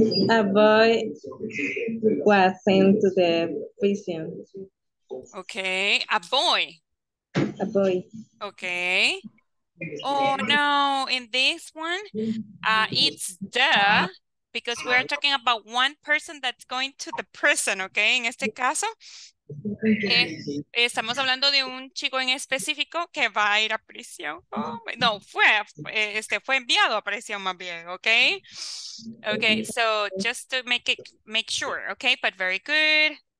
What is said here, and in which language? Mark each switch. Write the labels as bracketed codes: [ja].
[en] A boy was sent to the prison. Okay, a boy. A boy. Okay. Oh no, in this one, it's the, because we're talking about one person that's going to the prison, okay? [es] In este caso, estamos hablando de un chico en específico que va a ir a prisión. Oh, no, fue enviado a prisión más bien, okay? [en] Okay, so just to make sure, okay? But very good.